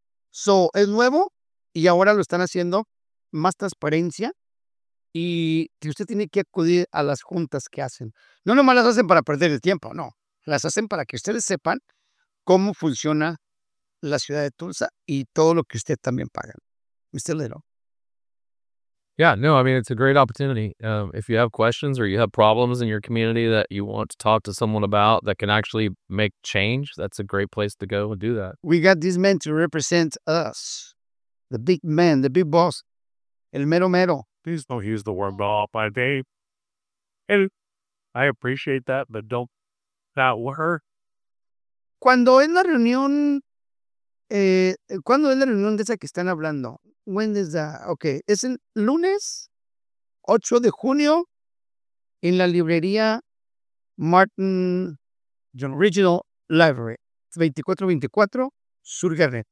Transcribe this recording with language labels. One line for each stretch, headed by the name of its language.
Spanish: So, es nuevo y ahora lo están haciendo más transparencia. Y usted tiene que acudir a las juntas que hacen. No nomás las hacen para perder el tiempo, no. Las hacen para que ustedes sepan cómo funciona la ciudad de Tulsa y todo lo que usted también paga.
English: Mr. Little. Yeah, no, I mean, it's a great opportunity. If you have questions or you have problems in your community that you want to talk to someone about that can actually make change, that's a great place to go and do that. We got these men to represent us. The big man, the big boss.
Spanish: El mero mero.
English: Please don't use the word ball, but they, and I appreciate that, but don't that word.
Spanish: Cuando es la reunión, cuando es la reunión de esa que están hablando?
English: When is that?
Spanish: Okay, es el lunes 8 de junio en la librería Martin Regional Library, 2424 Sur Garnet.